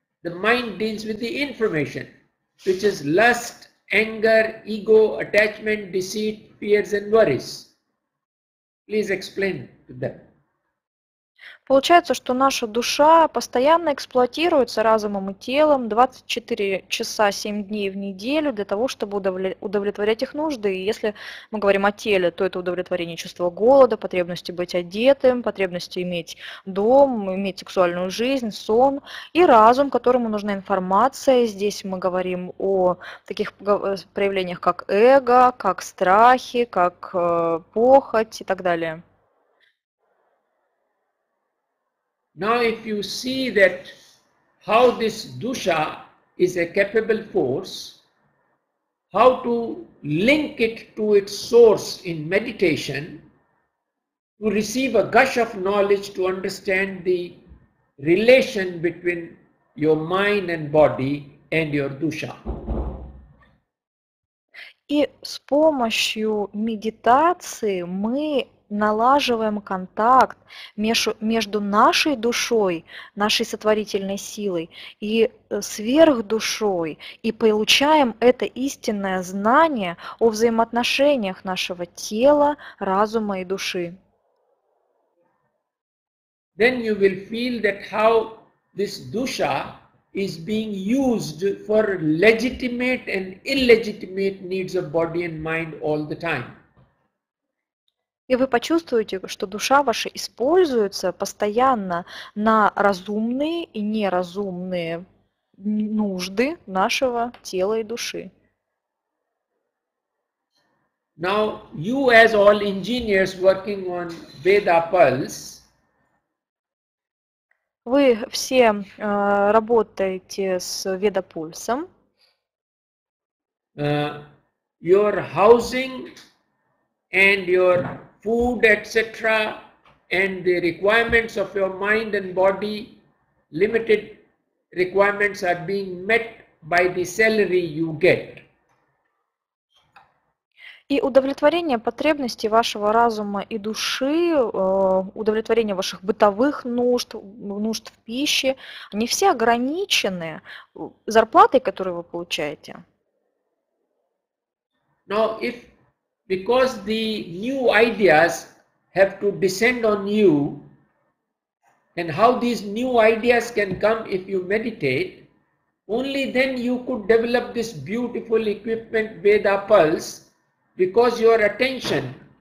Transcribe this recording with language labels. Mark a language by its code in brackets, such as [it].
[en] The mind deals with the information, which is lust, anger, ego, attachment, deceit, fears and worries. Please explain. [ru] Получается, что наша душа постоянно эксплуатируется разумом и телом 24 часа 7 дней в неделю для того, чтобы удовлетворять их нужды. И если мы говорим о теле, то это удовлетворение чувства голода, потребности быть одетым, потребности иметь дом, иметь сексуальную жизнь, сон. И разум, которому нужна информация. Здесь мы говорим о таких проявлениях, как эго, как страхи, как похоть и так далее. [en] Now if you see that how this dusha is a capable force, how to link it to its source in meditation, to receive a gush of knowledge to understand the relation between your mind and body and your dusha. [ru] И с помощью медитации мы налаживаем контакт между нашей душой, нашей сотворительной силой и сверхдушой, и получаем это истинное знание о взаимоотношениях нашего тела, разума и души. [en] Then you will feel that how this dusha is being used for legitimate and illegitimate needs of body and mind all the time. [ru] И вы почувствуете, что душа ваша используется постоянно на разумные и неразумные нужды нашего тела и души. [en] Now, you as all engineers working on Veda pulse, [ru] вы все работаете с ведопульсом. [en] Your housing and your food, etc., and the requirements of your mind and body, limited requirements are being met by the salary you get. [ru] И удовлетворение потребностей вашего разума и души, удовлетворение ваших бытовых нужд, нужд в пище, они все ограничены зарплатой, которую вы получаете. [en] Now, if because the new ideas have to descend on you, and how these new ideas can come if you meditate, only then you could develop this beautiful equipment, Veda Pulse, because your attention